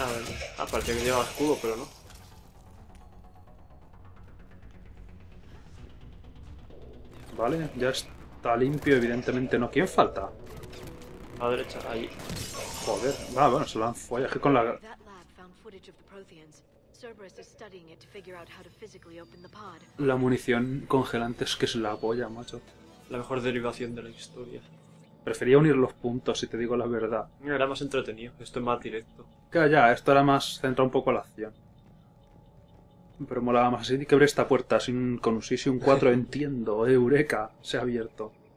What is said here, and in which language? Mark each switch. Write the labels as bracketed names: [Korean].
[Spanish] A ver, aparte que lleva escudo, pero no. Vale, ya está limpio, evidentemente no. ¿Quién falta? A la derecha, ahí. Joder, va, bueno, se lo han follaje con la... [English] That lab found footage of the Protheans. Cerberus is studying it to figure out how to physically open the pod. [Spanish] La munición congelante es que es la polla, macho. La mejor derivación de la historia. Prefería unir los puntos, si te digo la verdad. Era más entretenido, esto es más directo. Claro, ya, esto era más centrado un poco a la acción. Pero molaba más así, que abre esta puerta sin, con un 6 y un 4, entiendo, eureka, se ha abierto.